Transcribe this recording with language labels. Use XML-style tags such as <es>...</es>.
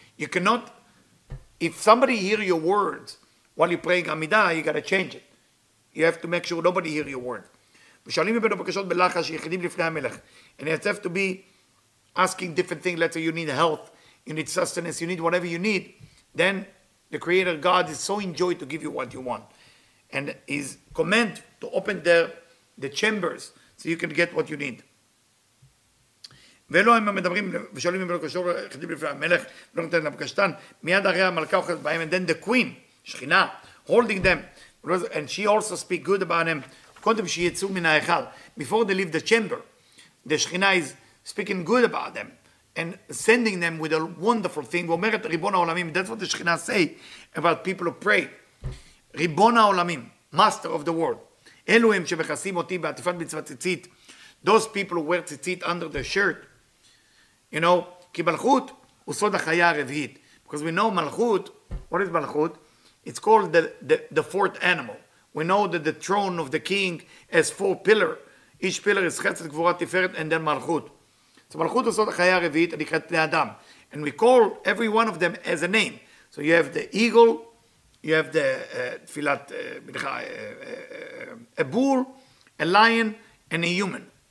<en>You cannot, if somebody hear your words, while you're praying Amidah, you got to change it. you have to make sure nobody hear your word.</en> <he>ושואלים מבין הבקשות בלחש, יחידים לפני המלך.</he> <en>And you have to be asking different things. Let's say you need health, you need sustenance, you need whatever you need. Then the Creator God is so enjoyed to give you what you want. And his command to open the chambers so you can get what you need.</en> <he>ולא הם מדברים ושואלים מבין הבקשות יחידים לפני המלך, ולא נותן לבקשתן, מיד הרי המלכה אוכלת בהם,</he> <en>and then the queen, שכינה, holding them. And she also speak good about them.</en> <he>קודם שיצאו מן ההיכל,</he> <en>before they leave the chamber, the Shekhinah is speaking good about them, and sending them with a wonderful thing,</en> <he>ואומרת ריבון העולמים,</he> <en>that's what the Shekhinah say about people who pray.</en> <he>ריבון העולמים,</he> <en>master of the world,</en> <he>אלו הם שמכסים אותי בעטיפת מצוות ציצית,</he> <en>those people who wear ציצית under their shirt, you know,</en> <he>כי מלכות הוא סוד החיה הרביעית,</he> <en>because we know מלכות, what is מלכות? It's called the fourth animal. We know that the throne of the king has four pillars. Each pillar is chesed, gvura, tiferet, and then malchut. So malchut is the chaya revit, and it's called Adam. And we call every one of them as a name. So you have the eagle, you have the tfilat, a bull, a lion, and a human.</en>